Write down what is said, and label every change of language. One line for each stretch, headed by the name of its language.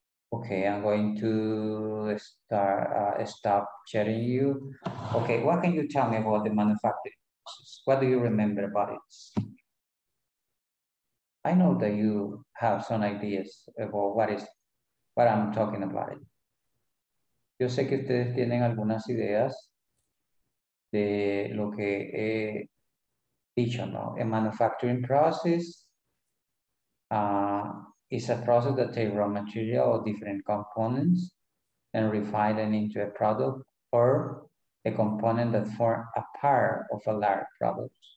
English: Okay, I'm going to stop sharing you. Okay, what can you tell me about the manufacturing process? What do you remember about it? I know that you have some ideas about what I'm talking about.
Spanish: Yo sé que ustedes tienen algunas ideas de lo que he dicho, ¿no?
English: A manufacturing process is a process that takes raw material or different components and refine them into a product or a component that form a part of a large product.